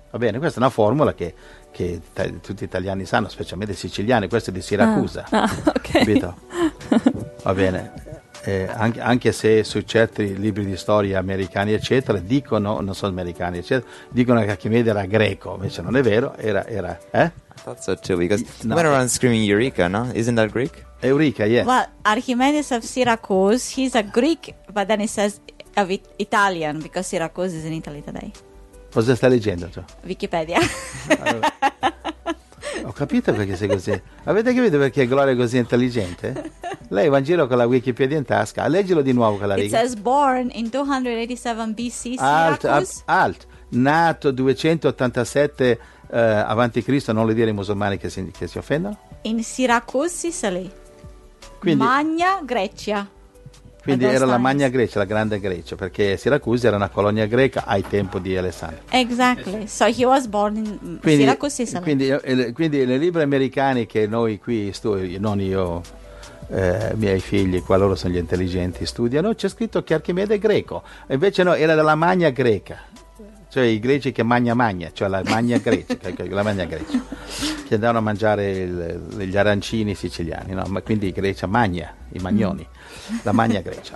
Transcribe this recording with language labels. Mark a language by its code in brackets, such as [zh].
[it] Va bene, questa è una formula che tutti gli italiani sanno, specialmente i siciliani. Questo è di Siracusa. Capito? Va bene, anche se su certi libri di storia americani eccetera dicono, non sono americani eccetera, dicono che Archimede era greco, invece non è vero, era [en] I thought so too, because no. Went around screaming Eureka, no? Isn't that Greek? Eureka, yes. Well, Archimedes of Syracuse, he's a Greek, but then he says of Italian, because Syracuse is in Italy today. [it] Cosa stai leggendo tu? [en] Wikipedia. [it] Allora, ho capito perché sei così. Avete capito perché Gloria è così intelligente? Lei va in giro con la Wikipedia in tasca. Leggilo di nuovo con la riga. [en] It says born in 287 BC, Syracuse. Alt. [it] Nato 287 avanti Cristo, non le dire ai musulmani che si offendono. [en] In Syracuse, Sicily. Quindi, Magna Grecia. [it] Quindi era la Magna Grecia, la Grande Grecia, perché Siracusa era una colonia greca ai tempi di Alessandro. [en] Exactly. So he was born in Syracuse, Sicily. [it] Quindi nei libri americani che noi qui non io, miei figli, qua loro sono gli intelligenti, studiano, c'è scritto che Archimede è greco. Invece no, era della Magna Greca. Cioè i greci che magna, cioè la Magna Grecia, la Magna Grecia, che andavano a mangiare gli arancini siciliani, no? Ma quindi Grecia Magna, i magnoni, la Magna Grecia.